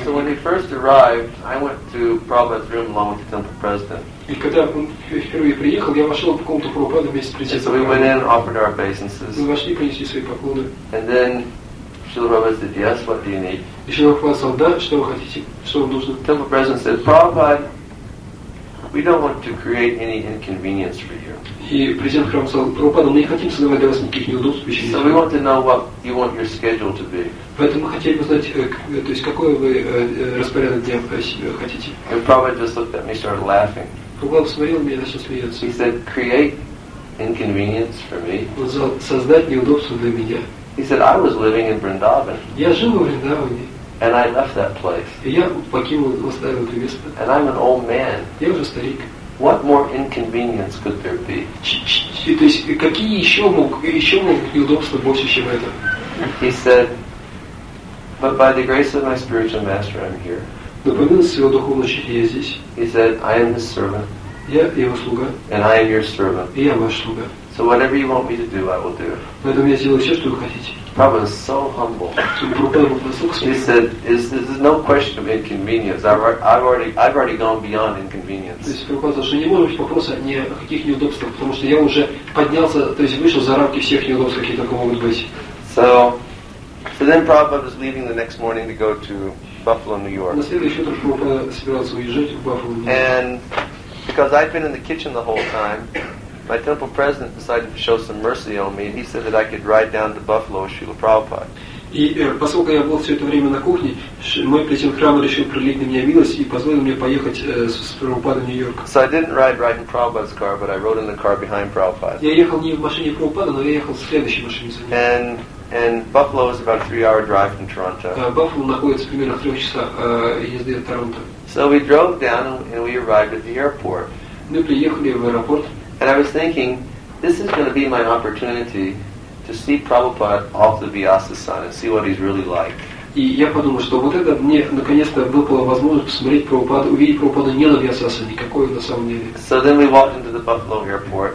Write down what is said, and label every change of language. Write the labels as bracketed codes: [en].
[en] So when he first arrived, I went to Prabhupada's room along with the temple president. [ru] И когда он впервые приехал, я вошел в комнату Прабхупады вместе с президентом. [en] So we went in, offered our obeisances. [ru] Мы вошли, принесли свои поклоны. [en] And then Srila Prabhupada said, "Yes, what do you need?" [ru] И Srila Prabhupada сказал, да, что вы хотите, что вам нужно. [en] Temple president said, "Prabhupada, we don't want to create any inconvenience for you." [ru] И президент храма сказал, Прабхупада, мы не хотим создавать для вас никаких неудобств. [en] So we want to know what you want your schedule to be. [ru] Поэтому мы хотели бы знать, то есть какой вы распорядок дня хотите. [en] And Prabhupada just looked at me and started laughing. [ru] Прабхупада посмотрел на меня и начал смеяться. [en] He said, "Create inconvenience for me." [ru] Он сказал, создать неудобства для меня. [en] He said, "I was living in Vrindavan." [ru] Я жил в Вриндаване. [en] And I left that place. [ru] Я покинул, оставил это место. [en] And I'm an old man. [ru] Я уже старик. [en] What more inconvenience could there be? [ru] То есть какие еще мог неудобства больше, чем это? [en] He said, "But by the grace of my spiritual master, I'm here." [ru] Но по милости своего духовного учителя я здесь. [en] He said, "I am his servant." [ru] Я его слуга. [en] And I am your servant. [ru] И я ваш слуга. [en] So whatever you want me to do, I will do. [ru] Поэтому я сделаю все, что вы хотите. [en] Prabhupada was so humble. He said, "There's no question of inconvenience. I've already gone beyond inconvenience." [ru] То есть Прабхупада сказал, что не может быть вопроса ни о каких неудобствах, потому что я уже поднялся, то есть вышел за рамки всех неудобств, какие только могут быть. [en] So then Prabhupada was leaving the next morning to go to Buffalo, New York. [ru] На следующий день Прабхупада собирался уезжать в Баффало. [en] And because I'd been in the kitchen the whole time, my temple president decided to show some mercy on me, and he said that I could ride down to Buffalo with Srila Prabhupada. [ru] И поскольку я был все это время на кухне, мой президент храма решил пролить на меня милость и позволил мне поехать с Прабхупадой в Нью-Йорк. [en] So I didn't ride right in Prabhupada's car, but I rode in the car behind Prabhupada. [ru] Я ехал не в машине Прабхупады, но я ехал в следующей машине за ним. [en] And Buffalo is about a 3-hour drive from Toronto. [ru] Buffalo находится примерно в 3 часа езды от Торонто. [en] So we drove down and we arrived at the airport. [ru] Мы приехали в аэропорт. [en] And I was thinking, this is going to be my opportunity to see Prabhupada off the Vyasa Sun and see what he's really like. [ru] И я подумал, что вот это мне наконец-то выпала возможность посмотреть Прабхупаду, увидеть Прабхупаду не на Вьясасане, никакой на самом деле. [en] So then we walked into the Buffalo airport.